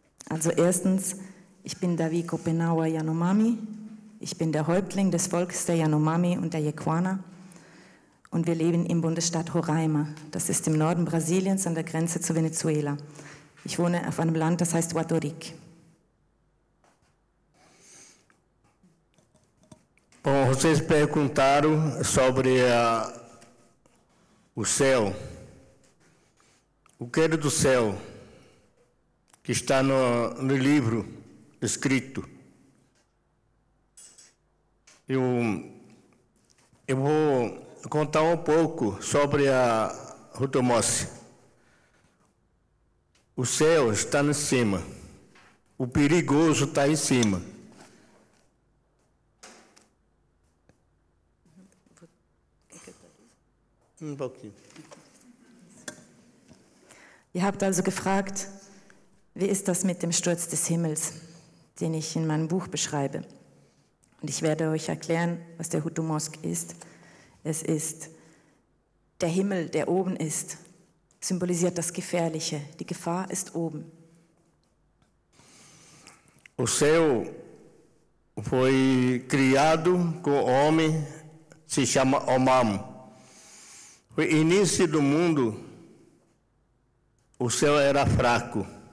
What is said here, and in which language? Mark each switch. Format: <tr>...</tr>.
<de>Also erstens, ich bin Davi Kopenawa Yanomami. Ich bin der Häuptling des Volkes der Yanomami und der Yekwana. Und wir leben im Bundesstaat Roraima. Das ist im Norden Brasiliens an der Grenze zu Venezuela. Ich wohne auf einem Land, das heißt Huatorik.</de> <pt>Bom, vocês perguntaram sobre o céu. O que é do céu que está no livro escrito? Eu vou contar um pouco sobre a Rutomossi. O céu está em cima. O perigoso está em cima.</pt> <de>Ihr habt also gefragt, wie ist das mit dem Sturz des Himmels, den ich in meinem Buch beschreibe. Und ich werde euch erklären, was der Hutu Mosque ist. Es ist der Himmel, der oben ist, symbolisiert das Gefährliche. Die Gefahr ist oben.</de> <pt>O céu foi criado com homem, se chama Omam. O início do mundo, o céu era fraco.</pt>